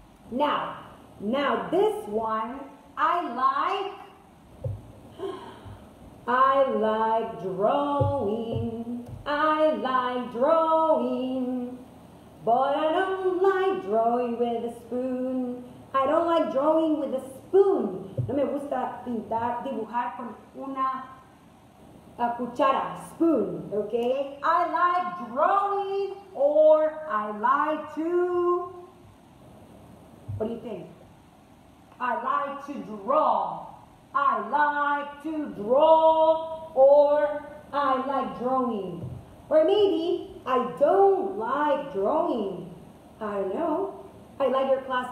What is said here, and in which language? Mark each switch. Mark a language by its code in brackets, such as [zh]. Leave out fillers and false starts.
[en] Now this one, I like drawing, I like drawing, but I don't like drawing with a spoon. I don't like drawing with a spoon. [es] No me gusta pintar, dibujar con una cuchara, spoon, okay? [en] I like drawing, or I like to, what do you think? I like to draw. I like to draw, or I like drawing. Or maybe, I don't like drawing. I don't know. I like your class.